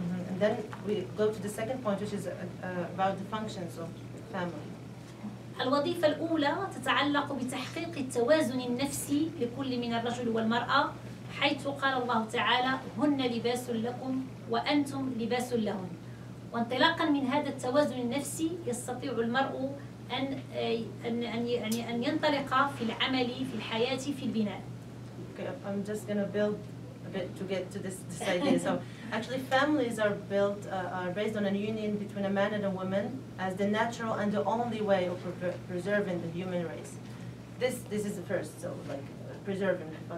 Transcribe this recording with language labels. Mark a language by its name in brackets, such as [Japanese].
[English] And then we go to the second point, which is about the functions of family. [Arabic] الوظيفة الأولى تتعلق بتحقيق التوازن النفسي لكل من الرجل والمرأة حيث قال الله تعالى هن لباس لكم وأنتم لباس لهن. وانطلاقا من هذا التوازن النفسي يستطيع المرء أن ينطلق في العمل في الحياة في البناء. [English] Okay, I'm just gonna build a bit to get to this idea. So actually families are built are based on a union between a man and a woman as the natural and the only way of preserving the human race. This is the first, so like preserving.